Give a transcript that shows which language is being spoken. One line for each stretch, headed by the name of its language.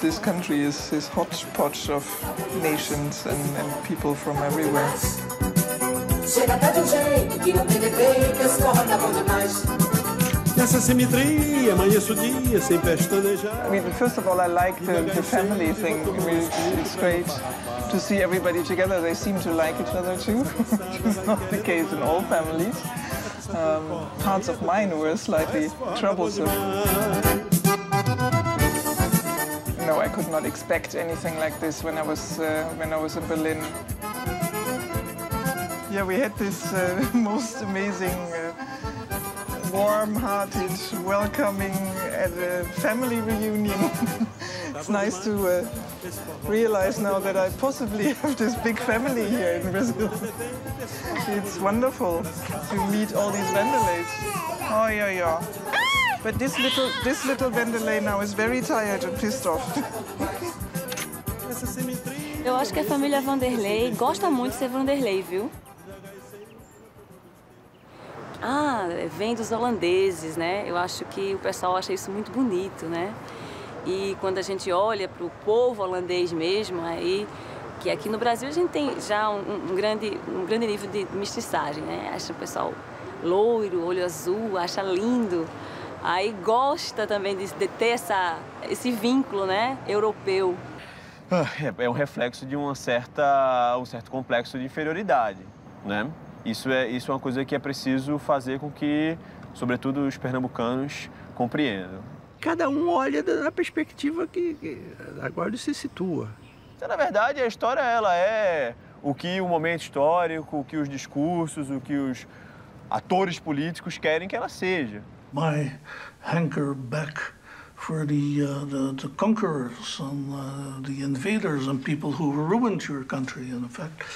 English: This country is hotspots of nations and people from everywhere.
Portuguese: Chega até do jeito, que não tem defeito. Esse forró tá bom demais. Essa simetria, amanheço o dia, sem pestanejar.
English: I mean, first of all, I like the family thing. I mean, it's great to see everybody together. They seem to like each other too, which is not the case in all families. Parts of mine were slightly troublesome. No, I could not expect anything like this when I was in Berlin. Yeah, we had this most amazing warm-hearted, welcoming at a family reunion. It's nice to realize now that I possibly have this big family here in Brazil. It's wonderful to meet all these Vanderleis. Oh, yeah, yeah. But this little Wanderlei now is very tired and pissed off.
Portuguese: Eu acho que a família Wanderlei gosta muito de ser Wanderlei, viu? Ah, vem dos holandeses, né? Eu acho que o pessoal acha isso muito bonito, né? E quando a gente olha para o povo holandês mesmo, aí, que aqui no Brasil a gente tem já um grande nível de mestiçagem, né? Acha o pessoal loiro, olho azul, acha lindo. Aí gosta também de ter esse vínculo, né? Europeu. É um reflexo de um certo complexo de inferioridade, né? Isso é uma coisa que é preciso fazer com que, sobretudo, os pernambucanos compreendam. Cada um olha na perspectiva que agora se situa. Então, na verdade, a história ela é o que o momento histórico, o que os discursos, o que os atores políticos querem que ela seja.
English: My hanker back for the conquerors and the invaders and people who ruined your country, in effect.